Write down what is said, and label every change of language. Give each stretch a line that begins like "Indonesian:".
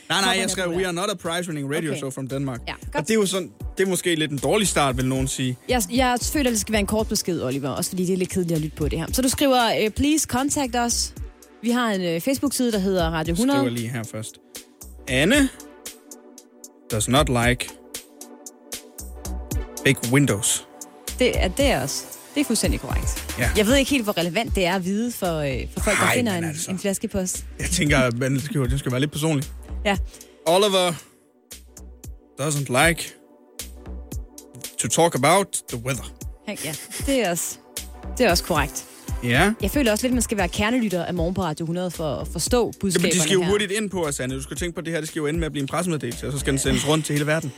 Danish: Nej, jeg skrev,
English: we are not a prize-winning radio show from Denmark.
Danish: Ja, og det er jo sådan, det er måske lidt en dårlig start, vil nogen sige. Jeg føler, det skal være en kort besked, Oliver, også fordi det er lidt kedeligt at lytte på det her. Så du skriver,
English: please contact us.
Danish: Vi har en Facebook-side, der hedder Radio 100. Skriver lige her først.
English: Anne does not like big windows.
Danish: Det er også. Det er fuldstændig korrekt. Ja. Jeg ved ikke helt, hvor relevant det er at vide for folk, der finder en flaskepost. Jeg tænker, at det skal være lidt personligt. Ja.
English: Oliver doesn't like to talk about the weather.
Danish: Ja, det er også korrekt. Ja. Jeg føler også lidt, at man skal være kernelytter af Morgen på Radio 100 for at forstå budskaberne. Men de skal jo hurtigt ind på os, Anne. Du skal tænke på, det her det skal jo ende med at blive en pressemeddelelse, og så skal den sendes rundt til hele verden.